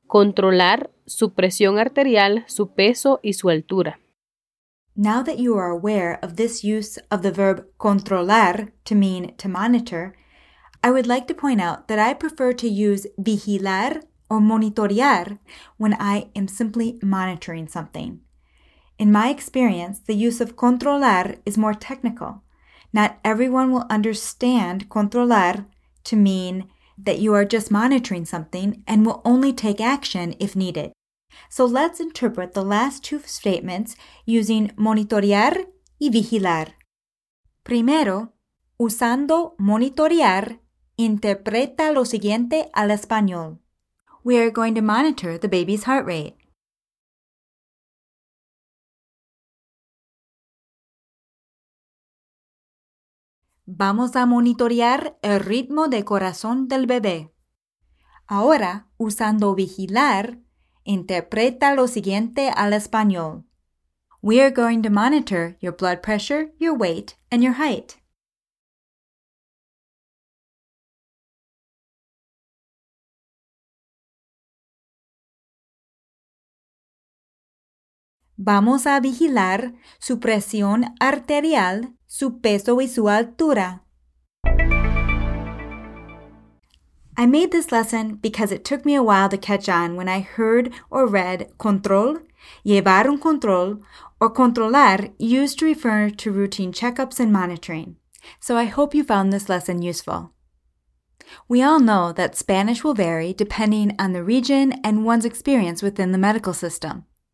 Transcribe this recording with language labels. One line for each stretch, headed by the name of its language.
Spanish: controlar su presión arterial, su peso y su altura.
English: Now that you are aware of this use of the verb controlar to mean to monitor, I would like to point out that I prefer to use vigilar or monitorear when I am simply monitoring something. In my experience, the use of controlar is more technical. Not everyone will understand controlar to mean that you are just monitoring something and will only take action if needed. So let's interpret the last two statements using monitorear y vigilar.
Spanish: Primero, usando monitorear, interpreta lo siguiente al español.
English: We are going to monitor the baby's heart rate.
Spanish: Vamos a monitorear el ritmo de corazón del bebé. Ahora, usando vigilar, interpreta lo siguiente al español.
English: We are going to monitor your blood pressure, your weight, and your height.
Spanish: Vamos a vigilar su presión arterial, su peso y su altura.
English: I made this lesson because it took me a while to catch on when I heard or read control,
Spanish: llevar un control,
English: or controlar used to refer to routine checkups and monitoring. So I hope you found this lesson useful. We all know that Spanish will vary depending on the region and one's experience within the medical system.